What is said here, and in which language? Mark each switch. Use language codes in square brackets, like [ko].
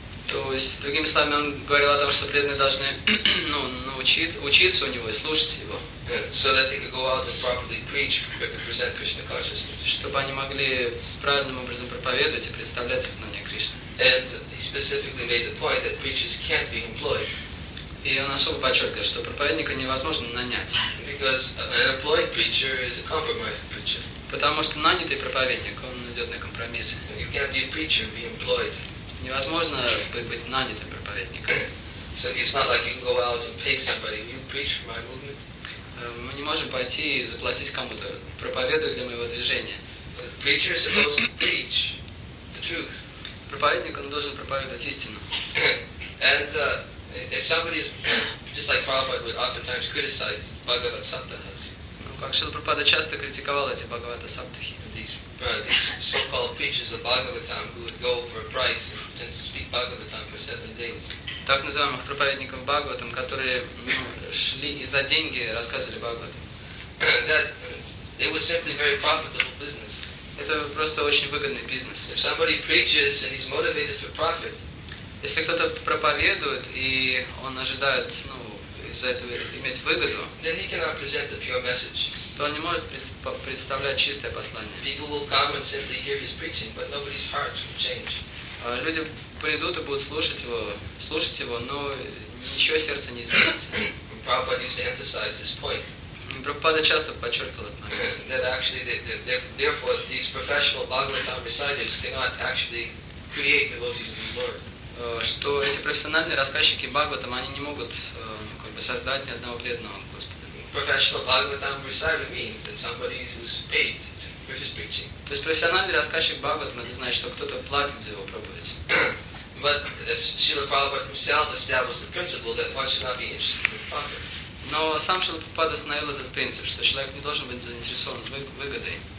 [ru] То есть, другими словами, он говорил о том, что преданные должны учиться у него и слушать его. [en] So that they could go out and properly preach, represent Krishna consciousness. [ru] Чтобы они могли правильным образом проповедовать и представлять сознание Кришны. [en] And he specifically made the point that preachers can't be employed. [ru] И он особо подчеркивает, что проповедника невозможно нанять. [en] Because an employed preacher is a compromised preacher. [ru] Потому что нанятый проповедник, он идет на компромиссы. [en] You can't be a preacher and be employed. [ru] Невозможно быть нанятым проповедником. [en] So it's not like you can go out and pay somebody. You preach for my movement. [ru] Мы не можем пойти и заплатить кому-то, проповедуя для моего движения. [en] The preacher is supposed to preach the truth. [ru] Проповедник, он должен проповедовать истину. [en] And if somebody is, just like Prabhupada would oftentimes criticize Bhagavad Saptahas. [ru] Ну, как Шрила Прабхупада часто критиковал эти Бхагавата Саптахи. [en] These so-called preachers of Bhagavatam who would go for a price and speak Bhagavatam for 7 days. [ru] Так называемых проповедников Бхагаватам, которые шли и за деньги рассказывали Бхагаватам. [en] It was simply very profitable business. [ru] Это просто очень выгодный бизнес. [en] If somebody preaches and he's motivated for profit. [ru] Если кто-то проповедует и он ожидает из-за этого иметь выгоду, [en] then he cannot present the pure message. [ru] То он не может представлять чистое послание. [en] People will come and simply hear his preaching, but nobody's hearts will change. [ru] Люди придут и будут слушать его, но ничего сердца не изменится. [en] Prabhupada used to emphasize this point. [ru] Прабхупада часто подчеркивал это. [en] That actually, therefore, these professional Bhagavatam reciters cannot actually create devotees of the Lord. [ru] Что эти профессиональные рассказчики Бхагаватам, они не могут создать ни одного преданного Господа. [en] Professional Bhagavatam reciter means that somebody who's paid for his preaching. [ru] То есть профессиональный рассказчик Бхагаватам, это значит, что кто-то платит за его проповедь. [en] But as Srila Prabhupada himself established the principle that one should not be interested in profit. [ru] Но сам Шрила Прабхупада установил этот принцип, что человек не должен быть заинтересован в выгоде.